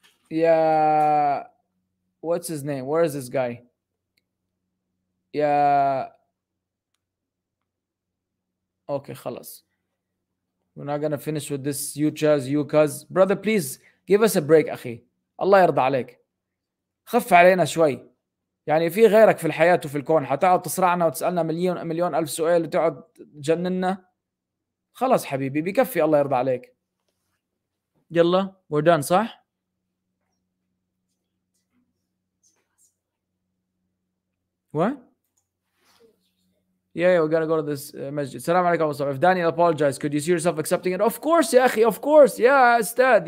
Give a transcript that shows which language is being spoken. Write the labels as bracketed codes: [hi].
[en] Yeah, what's his name? Where is this guy? Yeah. Okay, khalas. We're not gonna finish with this you cuz. Brother, please give us a break, akhi. [ar] Allah yarda alayk. خف علينا شوي. يعني في غيرك في الحياة وفي الكون حتقعد تصرعنا وتسألنا مليون ألف سؤال وتقعد تجنننا. خلاص حبيبي بكفي الله يرضى عليك. [en] يلا, we're done, صح؟ What? Yeah, we're gonna go to this masjid. Salaam alaikum. If Daniel apologized, could you see yourself accepting it? Of course, ya akhi, of course. Yeah, Ustad.